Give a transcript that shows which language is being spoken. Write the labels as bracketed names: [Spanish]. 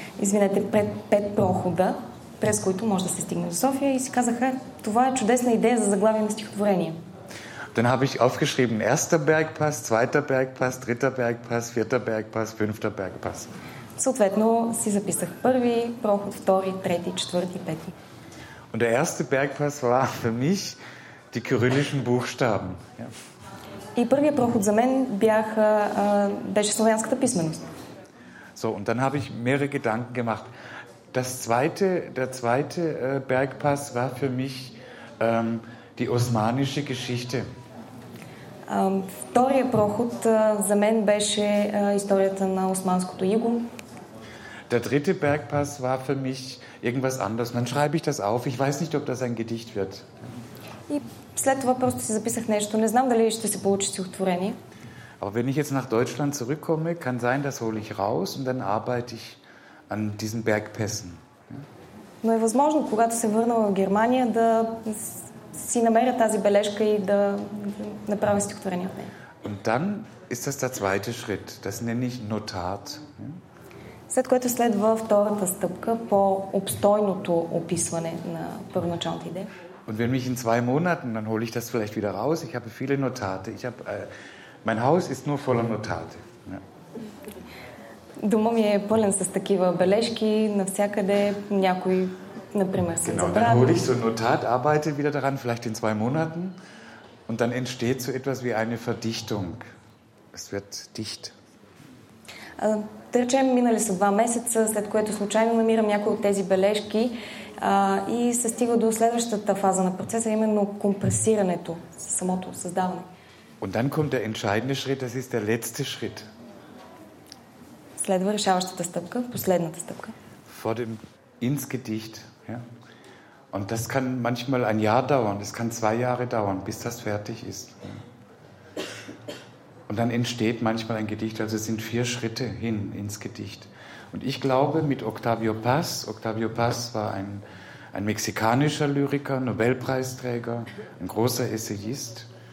[Bulgarian] Извинете, 5 прохода, през които може да се стигне до София. И си казаха, това е чудесна идея за заглавие на стихотворение. [German] Dann habe ich aufgeschrieben, erster Bergpass, zweiter Bergpass, dritter Bergpass, vierter Bergpass, fünfter Bergpass. [Bulgarian] Съответно си записах първи проход, втори, трети, четвърти, пети. [German] Und der erste Bergpass war für mich die kyrillischen Buchstaben. Ja. [Bulgarian] И първият проход за мен беше славянската писменост. [German] So, und dann habe ich mehrere Gedanken gemacht. Der zweite Bergpass war für mich die osmanische Geschichte. [Bulgarian] Втория проход за мен беше историята на Османското иго. [German] Der dritte Bergpass war für mich irgendwas anders. Dann schreibe ich das auf. Ich weiß nicht, ob das ein Gedicht wird. [Bulgarian] И след това просто си записах нещо. Не знам дали ще се получи стихотворение. [German] Aber wenn ich jetzt nach Deutschland zurückkomme, kann sein, das hole ich raus und dann arbeite ich an diesen Bergpässen. [Bulgarian] Но е възможно, когато се върна в Германия, да си намеря тази бележка и да направя стихотворение от нея. [German] Und dann ist das der zweite Schritt. Das nenne ich Notat. [Bulgarian] След което следва втората стъпка по обстойното описване на първоначалната идея. [German] Und wenn mich in zwei Monaten, dann hole ich das vielleicht wieder raus. Ich habe viele Notate. Ich habe, mein Haus ist nur voller Notate. Ja. [Bulgarian] Дома ми е пълен с такива бележки, навсякъде някой, например, се забравя. [German] Genau, dann hole ich so ein Notat, arbeite wieder daran, vielleicht in zwei Monaten. Und dann entsteht so etwas wie eine Verdichtung. Es wird dicht. [Bulgarian] Да речем, минали са два месеца, след което случайно намирам някои от тези бележки и се стига до следващата фаза на процеса, именно компресирането, самото създаване. [German] Und dann kommt der entscheidende Schritt, das ist der letzte Schritt. [Bulgarian] Следва решаващата стъпка, последната стъпка. [German] Vor dem ins Gedicht. Ja? Und das kann manchmal ein Jahr dauern, das kann zwei Jahre dauern, bis das fertig ist. Und dann entsteht manchmal ein Gedicht, also es sind vier Schritte hin ins Gedicht. Und ich glaube, mit Octavio Paz war ein mexikanischer Lyriker, Nobelpreisträger, ein großer Essayist.